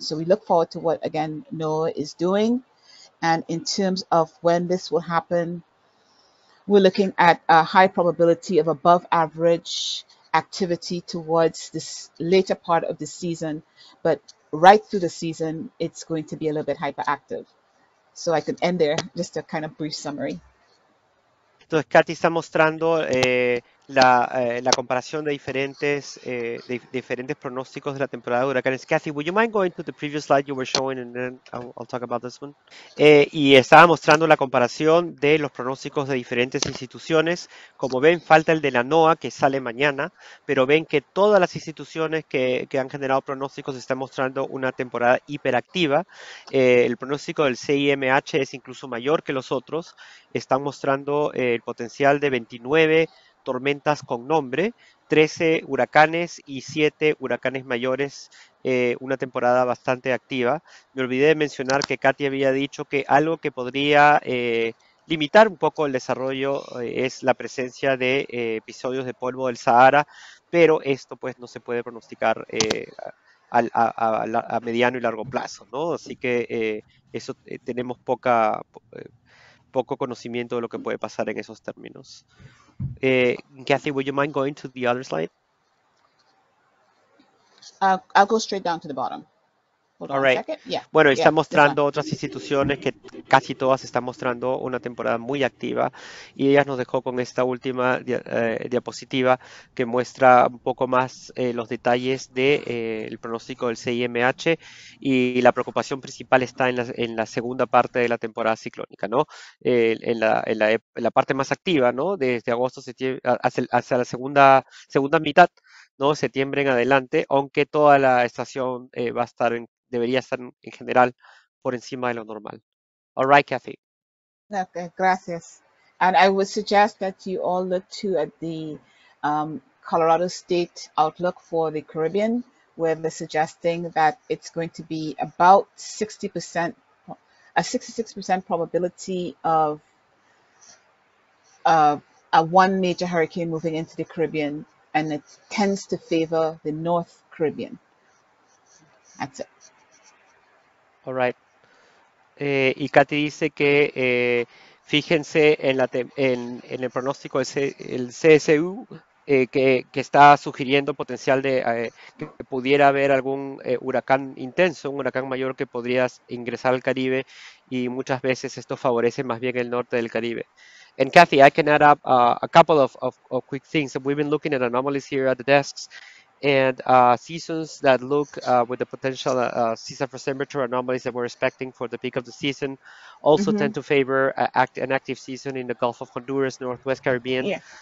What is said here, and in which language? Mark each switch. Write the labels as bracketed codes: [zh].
[en] So we look forward to what, again, NOAA is doing. And in terms of when this will happen, we're looking at a high probability of above average activity towards this later part of the season, but right through the season, it's going to be a little bit hyperactive. So I could end there, just a kind of brief summary. [es] Entonces, Katy está mostrando la comparación de diferentes diferentes pronósticos de la temporada de huracanes. [en] Katy, would you mind going to the previous slide you were showing, and then I'll talk about this one? [es] Y estaba mostrando la comparación de los pronósticos de diferentes instituciones. Como ven, falta el de la NOAA, que sale mañana, pero ven que todas las instituciones que han generado pronósticos están mostrando una temporada hiperactiva. El pronóstico del CIMH es incluso mayor que los otros. Están mostrando el potencial de 29 tormentas con nombre, 13 huracanes y 7 huracanes mayores, una temporada bastante activa. Me olvidé de mencionar que Katy había dicho que algo que podría limitar un poco el desarrollo es la presencia de episodios de polvo del Sahara, pero esto pues no se puede pronosticar a mediano y largo plazo, ¿no? Así que eso tenemos poco conocimiento de lo que puede pasar en esos términos. [en] Kathy, would you mind going to the other slide? I'll go straight down to the bottom. Hold All right. A second. Yeah. [es] Bueno, [en] yeah, [es] está mostrando otras instituciones que casi todas están mostrando una temporada muy activa, y ella nos dejó con esta última diapositiva que muestra un poco más los detalles del pronóstico del CIMH, y la preocupación principal está en la segunda parte de la temporada ciclónica, ¿no? En la parte más activa, ¿no? Desde agosto hacia la segunda mitad, ¿no? Septiembre en adelante, aunque toda la estación va a estar debería estar en general por encima de lo normal. [en] All right, Kathy. [es] Okay, gracias. [en] And I would suggest that you all look too at the Colorado State Outlook for the Caribbean, where they're suggesting that it's going to be about 60%, a 66% probability of a one major hurricane moving into the Caribbean, and it tends to favor the North Caribbean. That's it. All right. [es] Y Katy dice que fíjense en, la en el pronóstico del CSU que está sugiriendo potencial de que pudiera haber algún huracán intenso, un huracán mayor que podría ingresar al Caribe y muchas veces esto favorece más bien el norte del Caribe. [en] And Kathy, I can add up a couple of quick things. We've been looking at anomalies here at the desks. And seasons that look with the potential seasonal temperature anomalies that we're expecting for the peak of the season also tend to favor an active season in the Gulf of Honduras, Northwest Caribbean.